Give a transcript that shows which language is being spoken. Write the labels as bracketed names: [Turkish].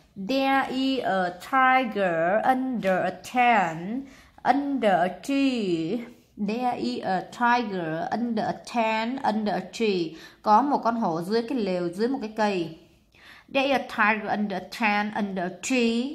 [English] There is a tiger under a tent under a tree. There is a tiger under a tent under a tree. [Vietnamese] Có một con hổ dưới cái lều dưới một cái cây. [English] There is a tiger under a tent under a tree.